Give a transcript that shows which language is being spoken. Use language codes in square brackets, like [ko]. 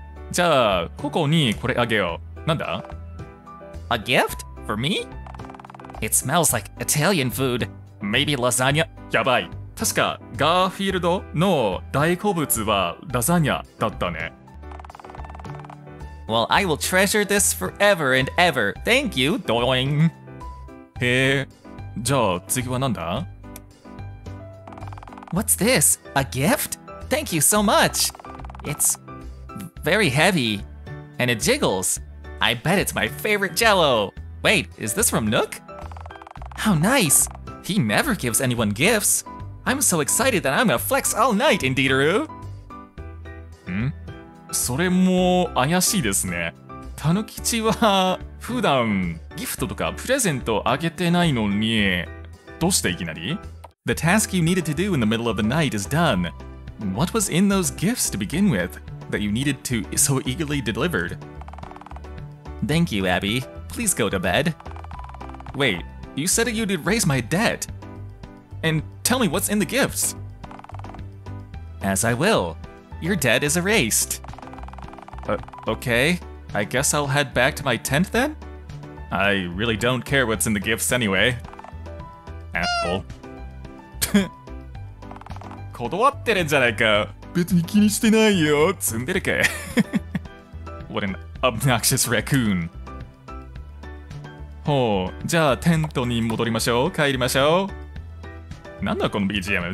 [ja] じゃあ、ココにこれあげよう。なんだ？ [en] A gift? For me? It smells like Italian food. Maybe lasagna? [ja] やばい。確かガーフィールドの大好物はラザニアだったね。 [en] Well, I will treasure this forever and ever. Thank you, doing. [ja] へえ、じゃあ次はなんだ？ [en] What's this? A gift? Thank you so much. It's very heavy. And it jiggles. I bet it's my favorite jello. Wait, is this from Nook? How nice. He never gives anyone gifts. I'm so excited that I'm gonna flex all night in Dideru. [ja] Hmm? それも怪しいですね。たぬきちは普段ギフトとかプレゼントあげてないのに、どうしていきなり？ [en] The task you needed to do in the middle of the night is done. What was in those gifts to begin with that you needed to so eagerly delivered? Thank you, Abby. Please go to bed. Wait, you said you did raise my debt. And tell me what's in the gifts. As I will. Your debt is erased. Okay, I guess I'll head back to my tent then? I really don't care what's in the gifts anyway. Apple. [ja] 断ってるんじゃないか。別に気にしてないよ。積んでるけ。 [en] What an obnoxious raccoon. [ja] ほう、じゃあテントに戻りましょう。帰りましょう。なんだこの BGM?